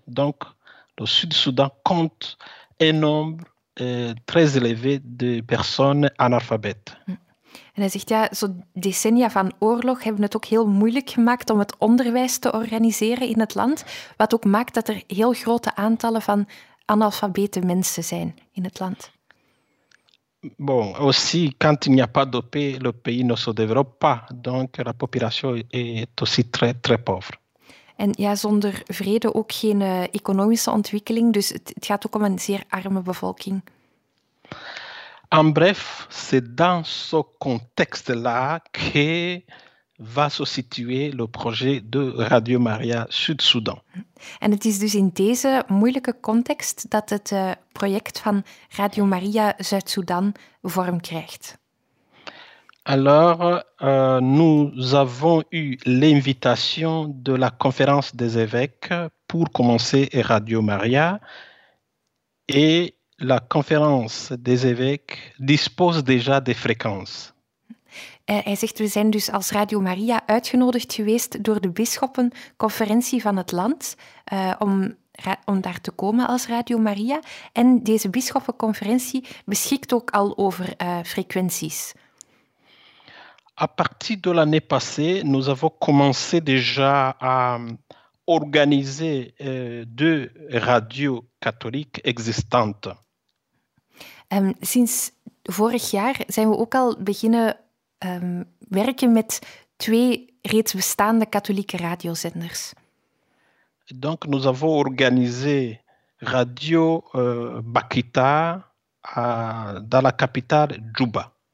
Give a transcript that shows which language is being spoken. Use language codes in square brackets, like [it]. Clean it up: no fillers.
[fr] Donc, le Sud-Soudan compte un nombre très élevé de personnes analphabètes. [nl] En hij zegt, ja, zo'n decennia van oorlog hebben het ook heel moeilijk gemaakt om het onderwijs te organiseren in het land, wat ook maakt dat er heel grote aantallen van analfabete mensen zijn in het land. [fr] Bon, aussi, quand il n'y a pas de paix, le pays ne se développe pas. Donc, la population est aussi très, très pauvre. [nl] En ja, zonder vrede ook geen economische ontwikkeling. Dus het gaat ook om een zeer arme bevolking. [fr] En bref, c'est dans ce contexte-là que va se situer le projet de Radio Maria Sud-Soudan. [nl] En het is dus in deze moeilijke context dat het project van Radio Maria Zuid-Soedan vorm krijgt. [fr] Alors, nous avons eu l'invitation de la conférence des évêques pour commencer Radio Maria. Et la conférence des évêques dispose déjà des fréquences. [nl] Hij zegt, we zijn dus als Radio Maria uitgenodigd geweest door de bisschoppenconferentie van het land om om daar te komen als Radio Maria. En deze bisschoppenconferentie beschikt ook al over frequenties. [fr] À partir de l'année passée, nous avons commencé déjà à organiser deux radios catholiques existantes. [nl] Sinds vorig jaar zijn we ook al beginnen werken met twee reeds bestaande katholieke radiozenders. [fr] Donc nous avons organisé Radio Bakita dans la capitale Djouba.